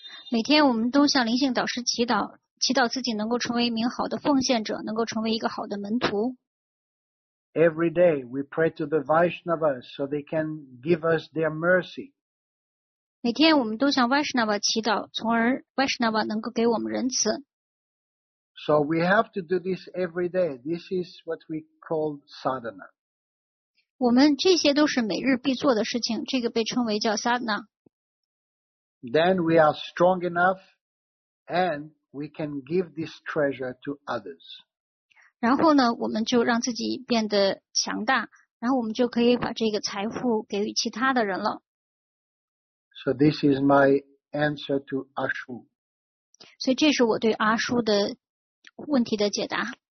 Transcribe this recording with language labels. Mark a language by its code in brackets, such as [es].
[zh] 每天我们都向灵性导师祈祷，祈祷自己能够成为一名好的奉献者，能够成为一个好的门徒。 [en] Every day we pray to the Vaishnavas so they can give us their mercy. [zh] 每天我们都向 Vaishnava 祈祷，从而 Vaishnava 能够给我们仁慈。 [en] So we have to do this every day. This is what we call sadhana. [zh] 我们这些都是每日必做的事情，这个被称为叫 sadhana。 [en] Then we are strong enough, and we can give this treasure to others. [zh] 然后呢，我们就让自己变得强大，然后我们就可以把这个财富给予其他的人了。 [en] So this is my answer to Ashu. [zh] 所以这是我对阿叔的问题的解答。